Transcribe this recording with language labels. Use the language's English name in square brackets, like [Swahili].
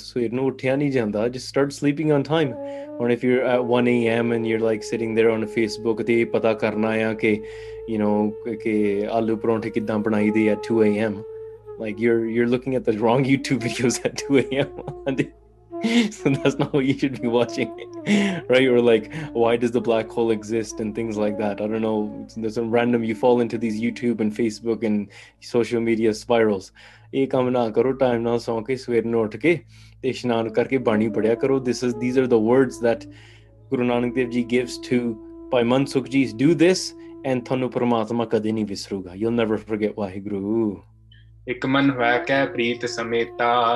[Punjabi] ਸਵੇਰ ਨੂੰ ਉੱਠਿਆ ਨਹੀਂ ਜਾਂਦਾ, [English] Just start sleeping on time. ਹੁਣ if you're at 1 AM and you're like sitting there on Facebook, [Punjabi] ਤੇ ਪਤਾ ਕਰਨਾ ਆ ਕਿ [English] you know [Punjabi] ਕਿ ਆਲੂ ਪਰੌਂਠੇ ਕਿੱਦਾਂ ਬਣਾਈ ਦੇ ਆ [English] 2 AM, like you're looking at the wrong YouTube videos at 2 AM. So that's not what you should be watching, right? Or like, why does the black hole exist and things like that. I don't know, there's some random, you fall into these YouTube and Facebook and social media spirals. [Punjabi] ਇਹ ਕੰਮ ਨਾ ਕਰੋ, time ਨਾਲ ਸੌਂ ਕੇ ਸਵੇਰ ਨੂੰ ਉੱਠ ਕੇ ਤੇ ਇਸ਼ਨਾਨ ਕਰਕੇ ਬਾਣੀ ਪੜਿਆ ਕਰੋ. [English] this is these are the words that Guru Nanak Dev ji gives to Bhai Mansukh ji, do this and [Punjabi] ਤੁਹਾਨੂੰ ਪਰਮਾਤਮਾ ਕਦੇ ਨਹੀਂ ਵਿਸਰੂਗਾ. [English] You'll never forget Waheguru. [Punjabi] ਇੱਕ ਮਨ ਹੋਇਆ ਕੈ ਪ੍ਰੀਤ ਸਮੇਤਾ,